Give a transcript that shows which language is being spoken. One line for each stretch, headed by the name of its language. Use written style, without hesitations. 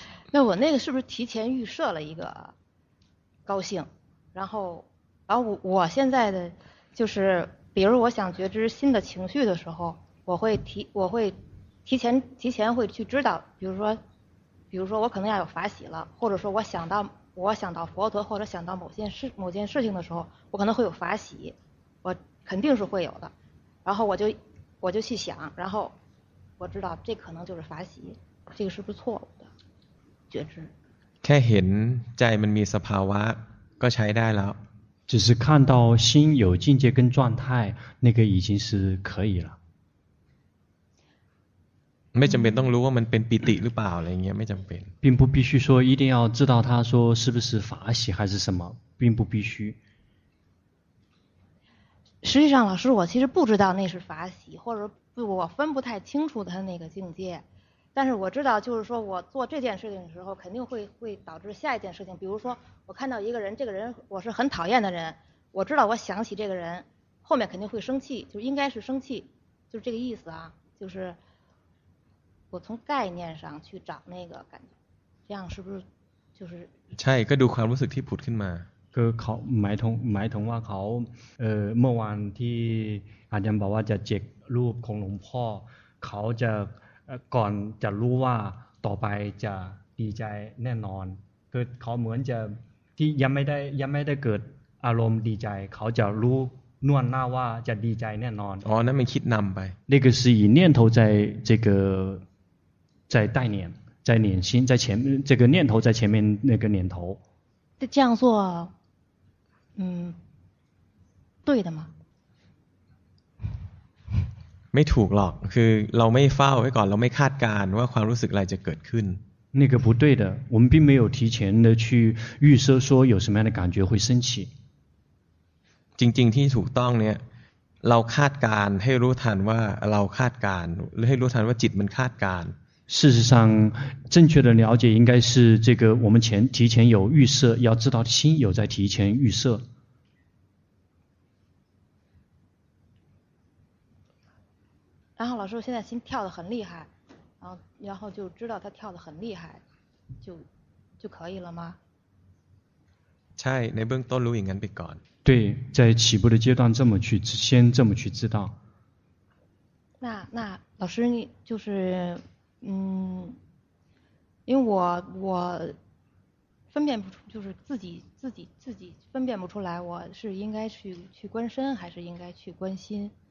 Chinese: 那我那个是不是提前预设了一个高兴然后我现在的就是比如我想觉知新的情绪的时候我会提前会去知道比如说我可能要有法喜了或者说我想到佛陀或者想到某件事情的时候我可能会有法喜我肯定是会有的然后我就去想然后我知道这可能就是法喜这个是不是错误的觉知
Thai: แค่เห็นใจมันมีสภาวะก็ใช้ได้แล้ว
Chinese: 只是看到心有境界跟状态那个已经是可以了
Thai: ไม่จำเป็นต้องรู้ว่ามันเป็นปิติหรือเปล่าอะไรเงี้ยไม่จำเป็น
Chinese: 并不必须说一定要知道他说是不是法喜还是什么并不必须师实际上老师我其实不知道那是法喜，或者我分不太清楚他那个境界，但是我知道就是说我做这件事情的时候肯定会导致下一件事情，比如说我看到一个人，这个人我是很讨厌的人，我知道我想起这个人后面肯定会生气，就应该是生气，就是这个意思啊，就是我从概念上去找那个感觉，这样是不是就是
Thai: ใช่ก็ดูความรู้สึกที่ผุดขึ้นมา คือเขาหมายถึงว่าเขาเมื่อวานที่อาจารย์บอกว่าจะเจกรูปของหลวงพ่อเขาจะก่อนจะรู้ว่าต่อไปจะดีใจแน่นอนคือเขาเหมือนจะที่ยังไม่ได้เกิดอารมณ์ดีใจเขาจะรู้นวลหน้าว่าจะดีใจแน่นอน อ๋อนั่นมันคิดนำไป
Chinese: 那个是以念头在这个在带念在念心在前面这个念头在前面那个念头这样做对的吗
Thai: ไม่ถูกหรอกคือเราไม่เฝ้าไว้ก่อนเราไม่คาดการว่าความรู้สึกอะไรจะเกิดขึ้น
Chinese: 那个不对的我们并没有提前的去预设说有什么样的感觉会升起
Thai: จริงๆที่ถูกต้องเนี่ยเราคาดการให้รู้ทันว่าเราคาดการหรือให้รู้ทันว่าจิตมันคาดการ
Chinese: 事实上正确的了解应该是这个我们前提前有预设要知道心有在提前预设然后老师现在心跳得很厉害然后就知道他跳得很厉害就可以了吗
Thai: ใช่ในเบื้องต้นรู้อย่างนั้นไปก่อน
Chinese: 对在起步的阶段这么去知道那老师你就是因为我分辨不出就是自己分辨不出来我是应该去观身还是应该去观心